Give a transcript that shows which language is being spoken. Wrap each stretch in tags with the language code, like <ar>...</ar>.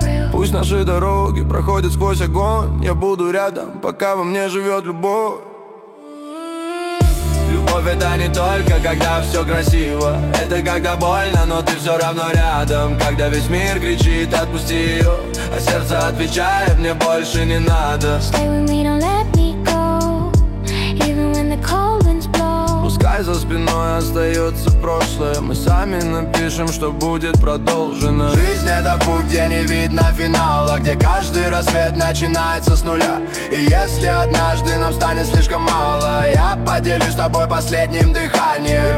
<ru>Пусть наши дороги проходят сквозь огонь. Я буду рядом, пока во мне живет любовь. Любовь — это не только когда все красиво. Это когда больно, но ты все равно рядом. Когда весь мир кричит, отпусти ее. А сердце отвечает, мне больше не надо.</ru> <en>Stay with me, don't let me go. Even when the cold winds blow.</en> <ru>Пускай за спиной остается прошлое. Мы сами напишем, что будет продолжено. Жизнь — это путь, где не видно финала. Где каждый рассвет начинается с нуля. И если однажды нам станет слишком мало, я поделюсь с тобой последним дыханием.</ru>